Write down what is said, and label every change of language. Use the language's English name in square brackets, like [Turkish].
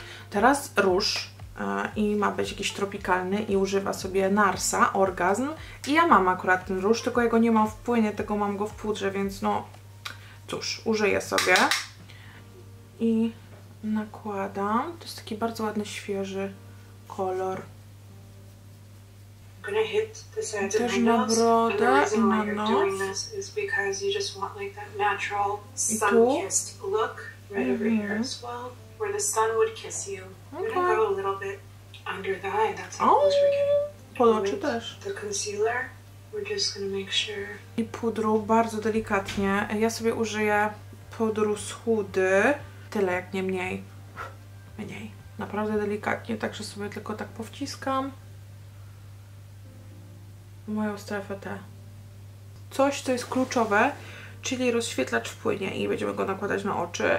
[Polish] Teraz róż. I ma być jakiś tropikalny i używa sobie Narsa, Orgazm. I ja mam akurat ten róż, tylko jego nie mam w płynie, tylko mam go w pudrze, więc no cóż, użyję sobie. I nakładam. To jest taki bardzo ładny, świeży kolor. [English] I'm gonna hit the sides of my nails, and the reason why you're doing this is because you just want like that natural sun-kissed look right over here as well, where the sun would kiss you. I'm gonna go a little bit under the eye, that's how close we're getting. And with the concealer, we're just gonna make sure. [Polish] I pudru bardzo delikatnie. Ja sobie użyję podróż chudy. Tyle, jak nie mniej. Mniej. Naprawdę delikatnie, także sobie tylko tak powciskam. Moją strefę T. Coś, co jest kluczowe, czyli rozświetlacz wpłynie i będziemy go nakładać na oczy.